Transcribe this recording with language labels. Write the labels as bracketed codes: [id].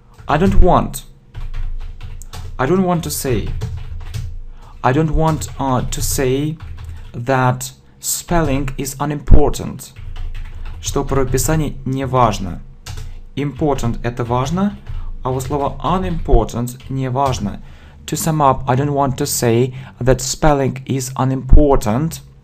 [en] I don't want to say that spelling is unimportant. [ru] Что правописание не важно. Important – это важно, а вот слово unimportant – не важно. [en] To sum up, I don't want to say that spelling is unimportant.